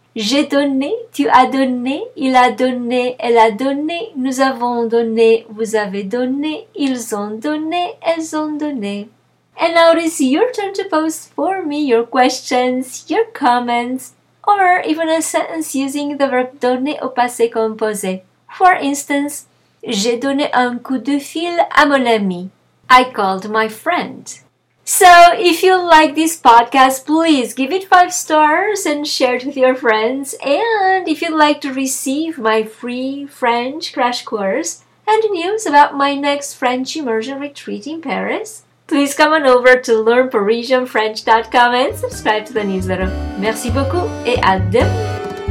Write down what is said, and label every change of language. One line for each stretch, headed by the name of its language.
French: J'ai donné, tu as donné, il a donné, elle a donné, nous avons donné, vous avez donné, ils ont donné, elles ont donné.
English: And now it is your turn to post for me your questions, your comments, or even a sentence using the verb donner au passé composé. For instance,
French: j'ai donné un coup de fil à mon ami.
English: I called my friend. So, if you like this podcast, please give it 5 stars and share it with your friends. And if you'd like to receive my free French crash course and news about my next French immersion retreat in Paris, please come on over to learnparisianfrench.com and subscribe to the newsletter.
French: Merci beaucoup et à demain!